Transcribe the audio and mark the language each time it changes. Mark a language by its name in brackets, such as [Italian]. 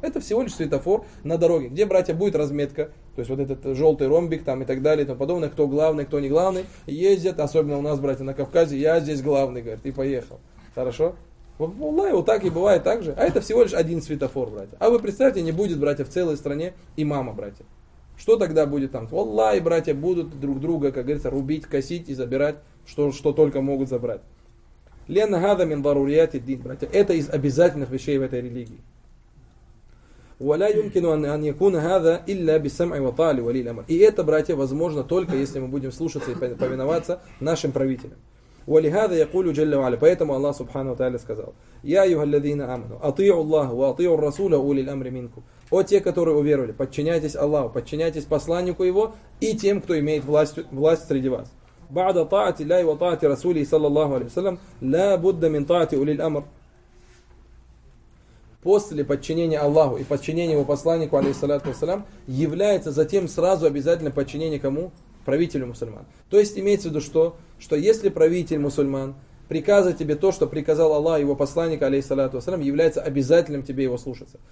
[Russian] Это всего лишь светофор на дороге, где, братья, будет разметка, то есть вот этот желтый ромбик там и так далее и тому подобное, кто главный, кто не главный, ездят, особенно у нас, братья, на Кавказе, я здесь главный, говорит, и поехал. Хорошо? Валлай, вот так и бывает так же. А это всего лишь один светофор, братья. А вы представьте, не будет, братья, в целой стране имама, братья. Что тогда будет там? Валлай, братья, будут друг друга, как говорится, рубить, косить и забирать, что только могут забрать. [Arabic] لأن هذا من ضروريات الدين, братья. [Russian] Это из обязательных вещей в этой религии. [Arabic] ولا يمكن أن يكون هذا إلا بسمع وطاعة ولي الأمر. [Russian] И это, братья, возможно только если мы будем слушаться и повиноваться нашим правителям. [Arabic] ولهذا يقول جل وعلا. [Russian] Поэтому Аллах Субхану Тааля сказал: [Arabic] يا أيها الذين آمنوا أطيعوا الله وأطيعوا الرسول أولي الأمر منكم. [Russian] О те, которые уверовали, подчиняйтесь Аллаху, подчиняйтесь посланнику его и тем, кто имеет власть среди вас. [Arabic] بعد طاعة الله وطاعة رسوله صلى الله عليه وسلم لا بد من طاعة أولي الأمر. [Russian] После подчинения Аллаху и подчинения его посланнику алейхиссалату вассалям является затем сразу обязательно подчинение кому? Правителю мусульман. То есть имеется в виду что если правитель мусульман приказывает тебе то, что приказал Аллах его посланник алейхиссалату вассалям, является обязательным тебе его слушаться.